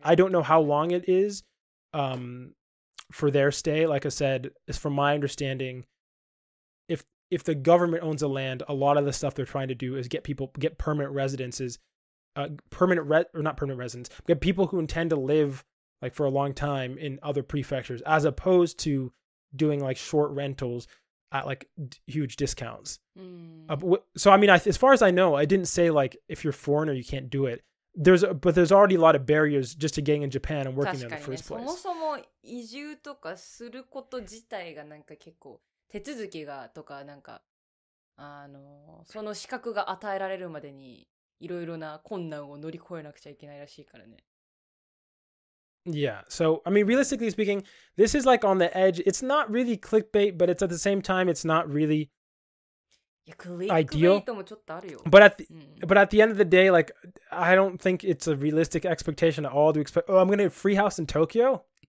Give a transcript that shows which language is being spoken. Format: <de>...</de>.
<en>I don't know how long it is. For their stay, like I said, is from my understanding, if the government owns a land, a lot of the stuff they're trying to do is get permanent residences, get people who intend to live like for a long time in other prefectures, as opposed to doing like short rentals at like huge discounts. So I mean, as far as I know, I didn't say like if you're foreigner you can't do it. There's already a lot of barriers just to getting in Japan and working in the first place.</en> <ja>そもそも移住とかすること自体がなんか結構手続きがとかなんかあのその資格が与えられるまでにいろいろな困難を乗り越えなくちゃいけないらしいからね。</ja> <en>Yeah, so I mean, realistically speaking, this is like on the edge. It's not really clickbait, but it's at the same time, it's not really ideal. But at the end of the day, like, I don't think it's a realistic expectation at all to expect, oh, I'm going to have a free house in Tokyo?</en>